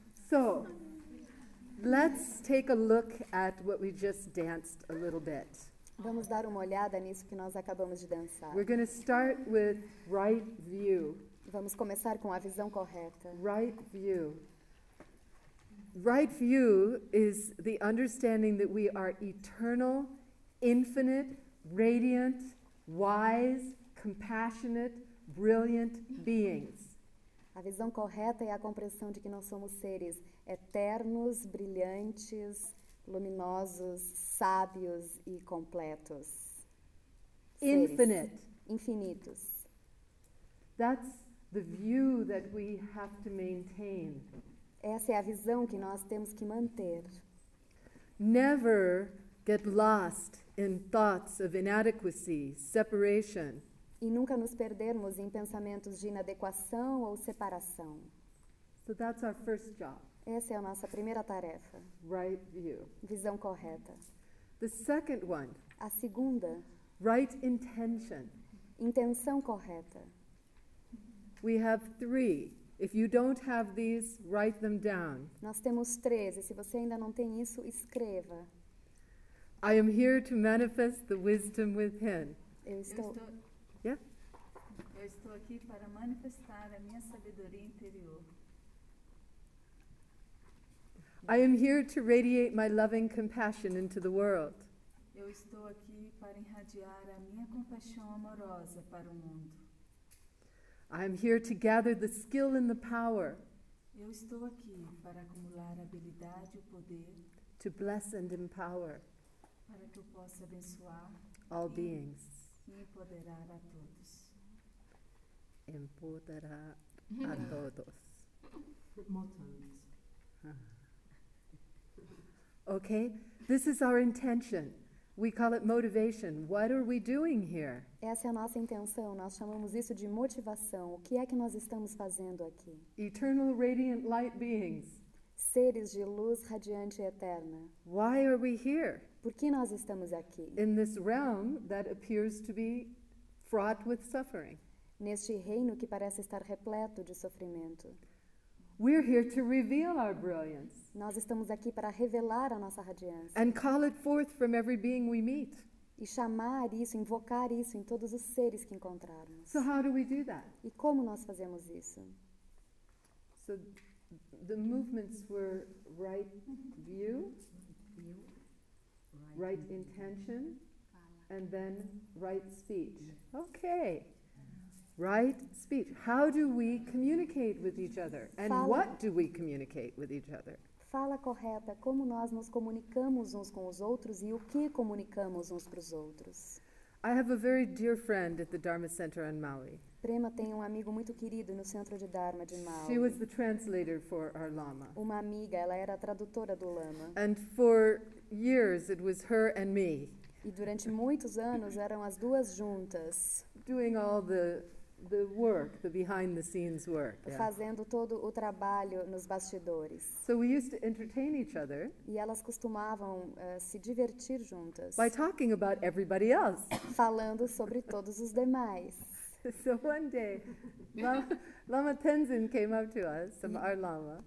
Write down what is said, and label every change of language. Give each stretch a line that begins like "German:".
English: So let's take a look at what we just danced a little bit.
Portuguese: Vamos dar uma olhada nisso que nós acabamos de dançar.
English: We're going to start with right view.
Portuguese: Vamos começar com a visão correta.
English: Right view. Right view is the understanding that we are eternal, infinite, radiant, wise, compassionate, brilliant beings.
Portuguese: A visão correta é a compreensão de que nós somos seres eternos, brilhantes, luminosos, sábios e completos.
English: Infinite.
Portuguese: Infinitos.
English: That's the view that we have to maintain.
Portuguese: Essa é a visão que nós temos que manter.
English: Never get lost in thoughts of inadequacy, separation.
Portuguese: E nunca nos perdermos em pensamentos de inadequação ou separação.
English: So that's our first job.
Portuguese: Essa é a nossa primeira tarefa.
English: Right view.
Portuguese: Visão correta.
English: The second one.
Portuguese: A segunda.
English: Right intention.
Portuguese: Intenção correta.
English: We have three. If you don't have these, write them down.
Portuguese: Nós temos três, e se você ainda não tem isso, escreva.
English: I am here to manifest the wisdom within.
Portuguese: Eu estou aqui para manifestar a minha sabedoria interior.
English: I am here to radiate my loving compassion into the world.
Portuguese: Eu estou aqui para irradiar a minha compaixão amorosa para o mundo.
English: I am here to gather the skill and the power.
Portuguese: Eu estou aqui para acumular habilidade e poder.
English: To bless and empower.
Portuguese: Para que eu possa abençoar
English: all beings.
Portuguese: E empoderar a todos. Empoderar a todos. Motos.
English: Okay, this is our intention. We call it motivation. What are we doing here?
Portuguese: Essa é a nossa intenção. Nós chamamos isso de motivação. O que é que nós estamos fazendo aqui?
English: Eternal radiant light beings.
Portuguese: Seres de luz radiante eterna.
English: Why are we here?
Portuguese: Por que nós estamos aqui?
English: In this realm that appears to be fraught with suffering.
Portuguese: Neste reino que parece estar repleto de sofrimento.
English: We're here to reveal our brilliance.
Portuguese: Nós estamos aqui para revelar a nossa radiância.
English: And call it forth from every being we meet.
Portuguese: E chamar isso, invocar isso em todos os seres que encontrarmos.
English: So how do we do that?
Portuguese: E como nós fazemos isso?
English: So the movements were right view, right intention, and then right speech. Okay. Right speech. How do we communicate with each other? And
Portuguese: fala,
English: what do we communicate with each other?
Portuguese: Fala correta. Como nós nos comunicamos uns com os outros e o que comunicamos uns para os outros?
English: I have a very dear friend at the Dharma Center on Maui.
Portuguese: Prema tem um amigo muito querido no centro de Dharma de Maui.
English: She was the translator for our Lama.
Portuguese: Uma amiga, ela era a tradutora do Lama.
English: And for years it was her and me.
Portuguese: E durante muitos anos eram as duas juntas.
English: Doing all the work, the behind the scenes work. Yeah.
Portuguese: Fazendo todo o trabalho nos bastidores.
English: So we used to entertain each other.
Portuguese: E elas costumavam se divertir juntas.
English: By talking about everybody else.
Portuguese: Falando sobre todos os demais.
English: So one day, Lama Tenzin came up to us, our Lama.